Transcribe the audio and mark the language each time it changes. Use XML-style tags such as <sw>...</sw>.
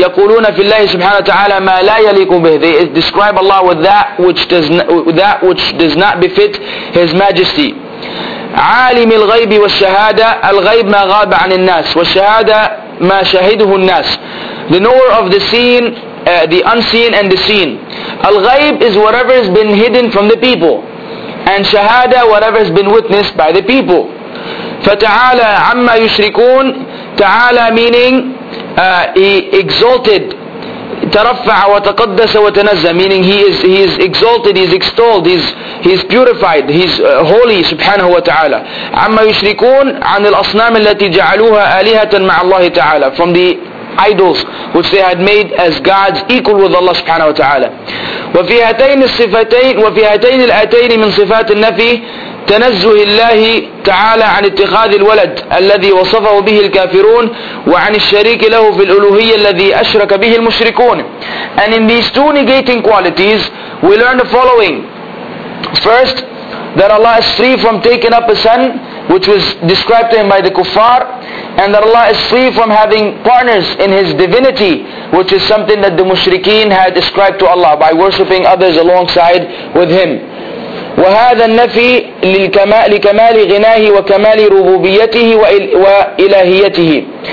<ar>يقولون في الله سبحانه وتعالى ما لا يليق به.</ar> <en>They describe Allah with that which does not befit His Majesty.</en> <ar>عالم الغيب والشهادة. الغيب ما غاب عن الناس والشهادة ما شهده الناس.</ar> <en>The knower of the seen, the unseen and the seen. الغيب is whatever has been hidden from the people, and شهادة whatever has been witnessed by the people.</en> <ar>فتعالى عما يشركون. تعالى</ar> <en>meaning he exalted</en> <ar>ترفع وتقدس وتنزه,</ar> <en>meaning he is exalted, he's extolled, he's purified, he's holy سبحانه وتعالى.</en> <ar>عما يشركون, عن الأصنام التي جعلوها آلهة مع الله تعالى,</ar> <en>from the idols which they had made as gods equal with Allah سبحانه وتعالى.</en> <ar>وفي هاتين الصفتين, وفي هاتين الآتين من صفات النفي, تنزه الله تعالى عن اتخاذ الولد الذي وصفه به الكافرون, وعن الشريك له في الألوهية الذي أشرك به المشركون.</ar> <en>And in these two negating qualities, we learn the following. First, that Allah is free from taking up a son, which was described to him by the kuffar, and that Allah is free from having partners in his divinity, which is something that the mushrikeen had ascribed to Allah by worshipping others alongside with him.</en> <ar>وهذا النفي لكمال غناه وكمال ربوبيته وإلهيته.</ar>